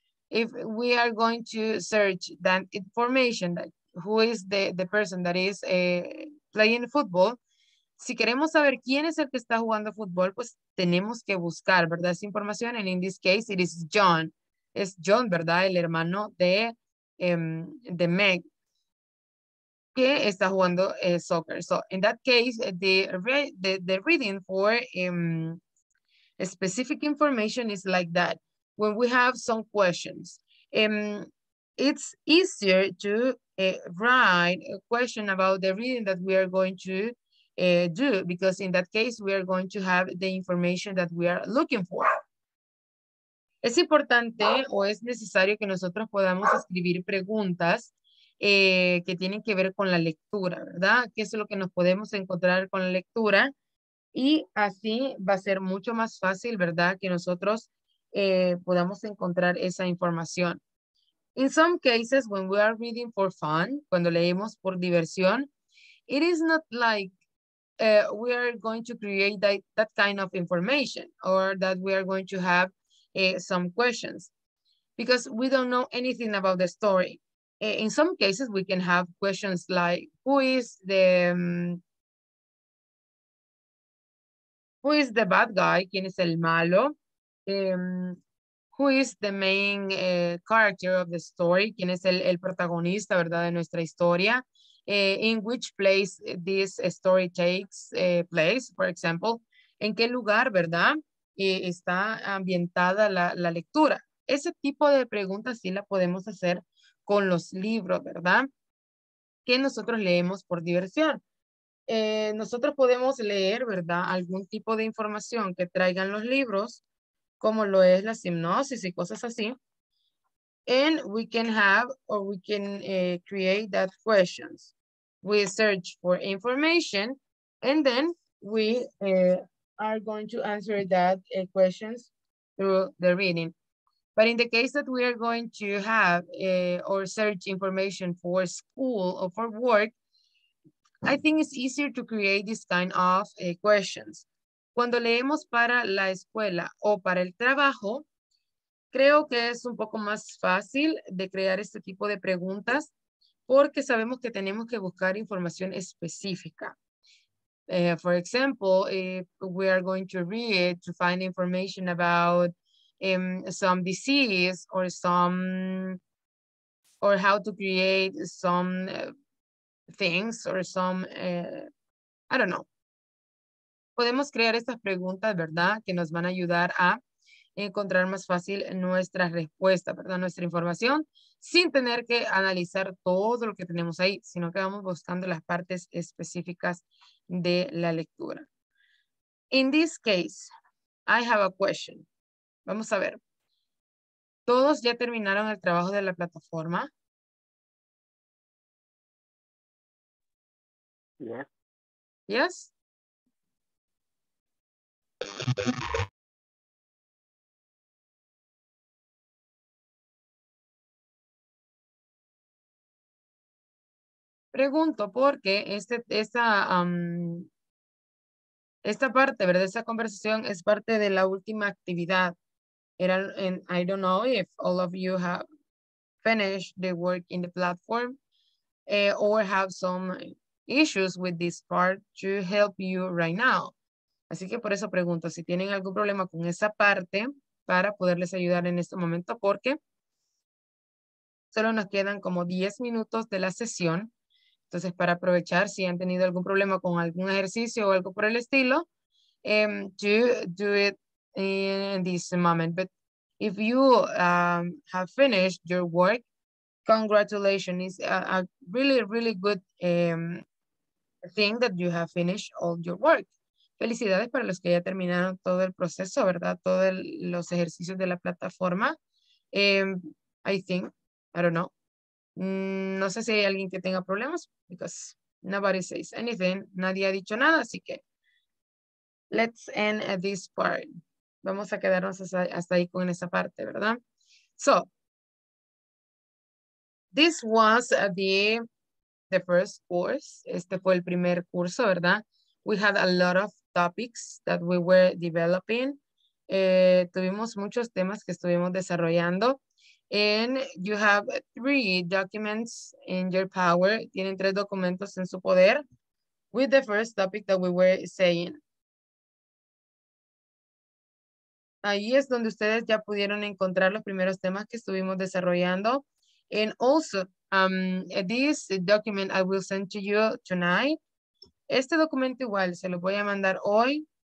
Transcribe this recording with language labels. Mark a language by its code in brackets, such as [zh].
[en] If we are going to search that information, that who is the person that is playing football, [es] si queremos saber quién es el que está jugando fútbol, pues tenemos que buscar, ¿verdad? Esa información, [en] and in this case, it is John. [es] Es John, ¿verdad? El hermano de Meg, que está jugando soccer. [en] So, in that case, the reading for specific information is like that. When we have some questions, it's easier to write a question about the reading that we are going to do, because in that case, we are going to have the information that we are looking for. [es] Es importante o es necesario que nosotros podamos escribir preguntas que tienen que ver con la lectura, ¿verdad? ¿Qué es lo que nos podemos encontrar con la lectura? Y así va a ser mucho más fácil, ¿verdad? Que nosotros podamos encontrar esa información. [en] In some cases, when we are reading for fun, [es] cuando leemos por diversión, [en] it is not like we are going to create that kind of information or that we are going to have some questions because we don't know anything about the story. In some cases, we can have questions like, who is the bad guy? [es] ¿Quién es el malo? [en] Who is the main character of the story? [es] ¿Quién es el protagonista, verdad, de nuestra historia? [en] In which place this story takes place, for example? [es] ¿En qué lugar, verdad, está ambientada la lectura? Ese tipo de preguntas sí la podemos hacer con los libros, ¿verdad? Que nosotros leemos por diversión. Nosotros podemos leer, ¿verdad?, algún tipo de información que traigan los libros, como lo es la sinopsis y cosas así. [en] And we can have or we can create that questions. We search for information and then we are going to answer that questions through the reading. But in the case that we are going to have or search information for school or for work, I think it's easier to create this kind of questions. [es] Cuando leemos para la escuela o para el trabajo, creo que es un poco más fácil de crear este tipo de preguntas porque sabemos que tenemos que buscar información específica. [en] For example, if we are going to read to find information about some disease or some or how to create some things or some I don't know. [es] Podemos crear estas preguntas, ¿verdad?, que nos van a ayudar a encontrar más fácil nuestra respuesta, ¿verdad?, nuestra información, sin tener que analizar todo lo que tenemos ahí, sino que vamos buscando las partes específicas de la lectura. [en] In this case, I have a question. [es] Vamos a ver. ¿Todos ya terminaron el trabajo de la plataforma? [en] Yeah. Yes. [es] Pregunto porque esta parte, ¿verdad?, esta conversación es parte de la última actividad. [en] And I don't know if all of you have finished the work in the platform or have some issues with this part to help you right now. [es] Así que por eso pregunto si tienen algún problema con esa parte para poderles ayudar en este momento, porque Solo nos quedan como 10 minutos de la sesión. Entonces, para aprovechar, si han tenido algún problema con algún ejercicio o algo por el estilo, [en] do it in this moment. But if you have finished your work, congratulations. It's a really, really good thing that you have finished all your work. [es] Felicidades para los que ya terminaron todo el proceso, ¿verdad? Todos los ejercicios de la plataforma. [en] I think, I don't know. [es] No sé si hay alguien que tenga problemas, [en] because nobody says anything. [es] Nadie ha dicho nada, así que [en] let's end at this part. [es] Vamos a quedarnos hasta ahí con esa parte, ¿verdad? [en] So, this was the first course. [es] Este fue el primer curso, ¿verdad? [en] We had a lot of topics that we were developing. [es] Tuvimos muchos temas que estuvimos desarrollando. [en] And you have three documents in your power. [es] Tienen tres documentos en su poder. [en] With the first topic that we were saying. [es] Ahí es donde ustedes ya pudieron encontrar los primeros temas que estuvimos desarrollando. [en] And also, this document I will send to you tonight. [es] Este documento igual se lo voy a mandar hoy.